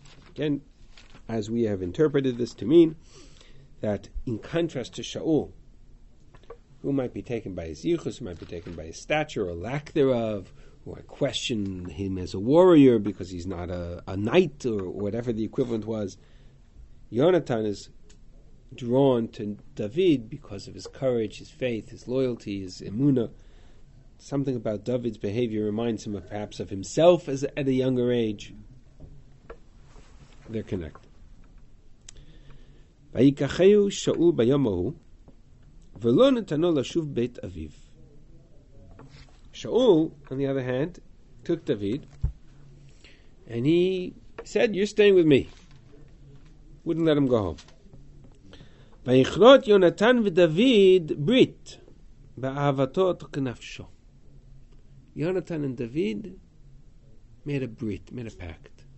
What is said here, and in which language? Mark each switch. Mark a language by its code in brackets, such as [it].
[en] Again, as we have interpreted this to mean that in contrast to Shaul, who might be taken by his yichus, who might be taken by his stature or lack thereof, who I question him as a warrior because he's not a knight or whatever the equivalent was, Yonatan is drawn to David because of his courage, his faith, his loyalty, his emunah. Something about David's behavior reminds him of perhaps of himself as at a younger age. They're connected. [he] ויקחהו שאול ביום ההוא, ולא נתנו לשוב בית אביו. [en] Shaul, on the other hand, took David, and he said, "You're staying with me." Wouldn't let him go home. [he] ויכרות יונתן ודוד ברית, באהבתו כנפשו. [en] Yonatan and David made a brit, made a pact.